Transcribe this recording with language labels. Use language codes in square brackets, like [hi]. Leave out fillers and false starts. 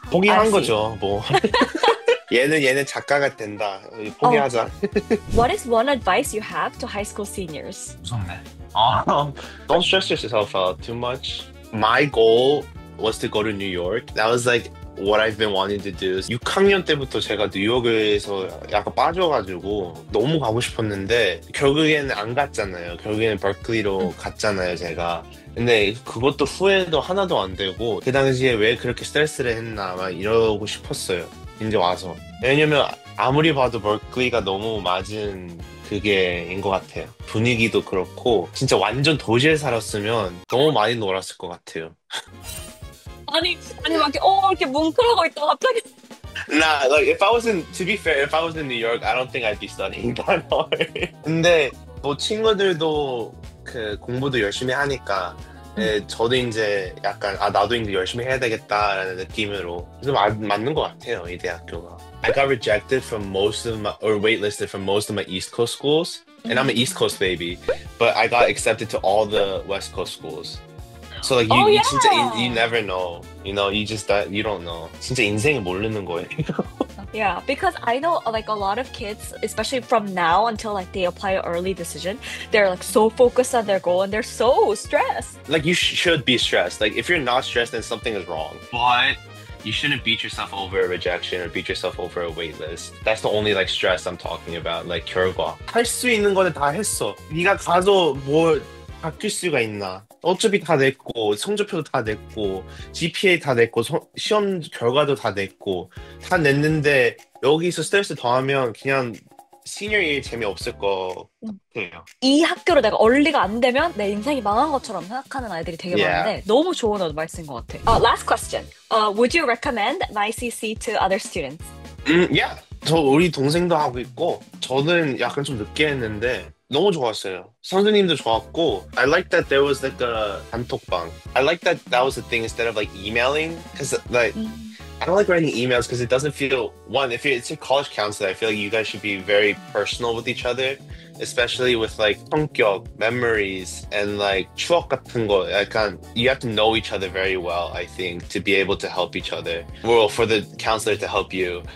[ko] 포기한 거죠, 뭐. 얘는 작가가 된다. 포기하자. [en] What is one advice you have to high school seniors? [ko] 무섭네. [en] Don't stress yourself out too much. My goal was to go to New York. That was like what I've been wanting to do. [ko] 6학년 때부터 제가 뉴욕에서 약간 빠져가지고 너무 가고 싶었는데 결국에는 안 갔잖아요. 결국에는 버클리로 갔잖아요, 제가. 근데 그것도 후회도 하나도 안 되고 그 당시에 왜 그렇게 스트레스를 했나 막 이러고 싶었어요. 이제 와서. 왜냐면 아무리 봐도 버클리가 너무 맞은 그게인 것 같아요. 분위기도 그렇고 진짜 완전 도시에 살았으면 너무 많이 놀았을 것 같아요. 아니 막 이렇게 이렇게 뭉클하고 있다 갑자기. [en] Nah, like if I was in, to be fair, if I was in New York, I don't think I'd be studying that hard. [ko] 근데 뭐 친구들도 그 공부도 열심히 하니까 저도 이제 약간 아 나도 이제 열심히 해야 되겠다라는 느낌으로 좀 맞는 것 같아요 이 대학교가. [en] I got rejected from most of my, or waitlisted from most of my East Coast schools, and I'm an East Coast baby, but I got accepted to all the West Coast schools. So like you, yeah. you never know, you know, you just, you don't know. [ko] 진짜 인생에 모르는 거예요. [en] Yeah, because I know like a lot of kids, especially from now until like they apply early decision, they're like so focused on their goal and they're so stressed. Like you should be stressed. Like if you're not stressed, then something is wrong. But you shouldn't beat yourself over a rejection or beat yourself over a wait list. That's the only like stress I'm talking about, like 결과. [ko] 할 수 있는 거는 다 했어. 네가 가서 뭐 바뀔 수가 있나? 어차피 다 냈고, 성적표도 다 냈고, GPA 다 냈고, 시험 결과도 다 냈고, 다 냈는데 여기서 스트레스 더하면 그냥 senior year 재미없을 것 같아요. 이 학교로 내가 얼리가 안 되면 내 인생이 망한 것처럼 생각하는 아이들이 되게 yeah. 많은데 너무 좋은 어드바이스인 것 같아. [en] Last question. Would you recommend MYCC to other students? Yeah. [ko] 저 우리 동생도 하고 있고 저는 약간 좀 늦게 했는데 너무 좋았어요. 선생님도 좋았고 [en] I like that there was like a 단톡방. I like that that was the thing instead of like emailing because like I don't like writing emails because it doesn't feel, one, if it's a college counselor, I feel like you guys should be very personal with each other, especially with like 성격, memories, and like [ko] 추억 같은 거, [en] like, you have to know each other very well, I think, to be able to help each other, well, for the counselor to help you.